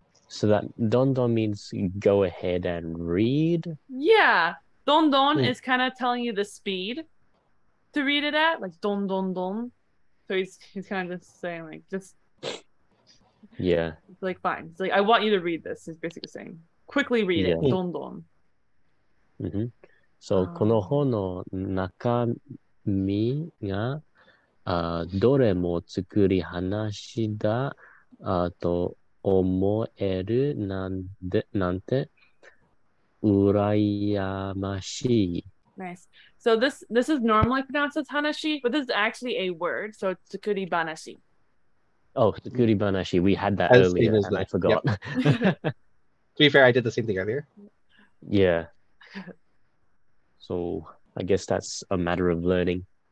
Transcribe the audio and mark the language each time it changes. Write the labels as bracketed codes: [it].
[en] So that don don means go ahead and read? Yeah. Don don is kind of telling you the speed to read it at, like don don don. So he's kind of just saying like, just yeah. It's like, fine. It's like, I want you to read this. He's basically saying, quickly read it, don don. Mm-hmm. [ja] So, この本の中身が、どれも作り話だ、と思えるなんで、なんて、うらやましい。 [en] Nice. So, this is normally pronounced as hanashi, but this is actually a word. So, it's tsukuri banashi. Oh, tsukuri banashi. We had that as earlier and that. I forgot. Yep. To be fair, I did the same thing earlier. Yeah. So, I guess that's a matter of learning.